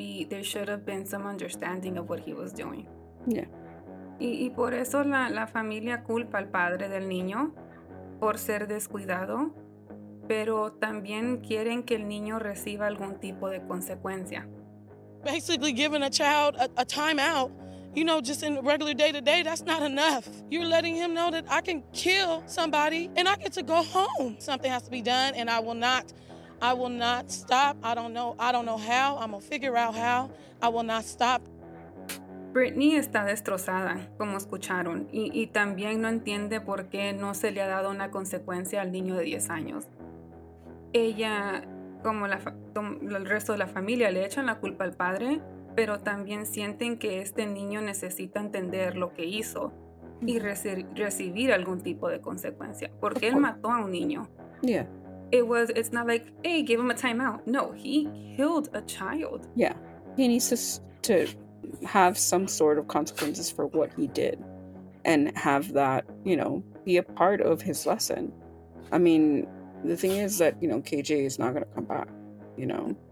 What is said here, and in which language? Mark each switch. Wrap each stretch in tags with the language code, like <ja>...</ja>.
<en>There should have been some understanding of what he was doing. Yeah.</en> <es>Y por eso la familia culpa al padre del niño por ser descuidado, pero también quieren que el niño reciba algún tipo de consecuencia.</es> <en>Basically giving a child a time out, you know, just in regular day-to-day, that's not enough. You're letting him know that I can kill somebody and I get to go home. Something has to be done, and I will not stop. I don't know how. I'm gonna figure out how. I will not stop.</en> <es>Brittany está destrozada, como escucharon, y también no entiende por qué no se le ha dado una consecuencia al niño de 10 años. Ella, como el resto de la familia, le echan la culpa al padre, pero también sienten que este niño necesita entender lo que hizo y recibir algún tipo de consecuencia, porque él mató a un niño.</es> <en>Yeah. It's not like, hey, give him a timeout. No, he killed a child. Yeah. He needs to have some sort of consequences for what he did and have that, you know, be a part of his lesson. I mean, the thing is that, you know, KJ is not going to come back, you know.</en>